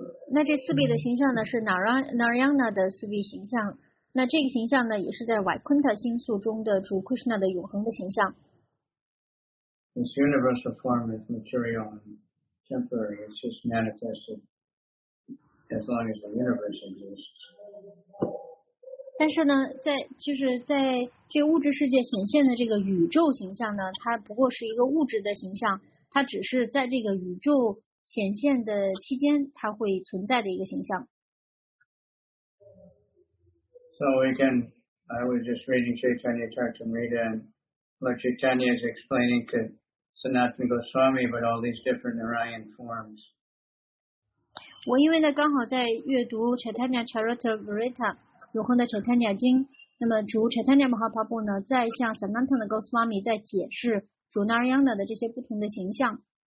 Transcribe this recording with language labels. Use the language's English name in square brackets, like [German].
[Chinese] 那这四臂的形象呢是 Narayana 的四臂形象。那这个形象呢也是在 Vaikuntha 星宿中的主 Krishna 的永恒的形象。 [English] This universal form is material and temporary. It's just manifested as long as the universe exists. [Chinese] 但是呢，在就是在这物质世界显现的这个宇宙形象呢，它不过是一个物质的形象，它只是在这个宇宙显现的期间，它会存在的一个形象。 [English] So again, I was just reading Chaitanya Charitamrita, and Lord Chaitanya is explaining to Sanatana Goswami about all these different Narayan forms. [Chinese] 我因为呢刚好在阅读 Chaitanya Charitamrita 永恒的 Chaitanya 经，那么主 Chaitanya Mahaprabhu 呢在向 Sanatana Goswami 在解释主 Narayana 的这些不同的形象。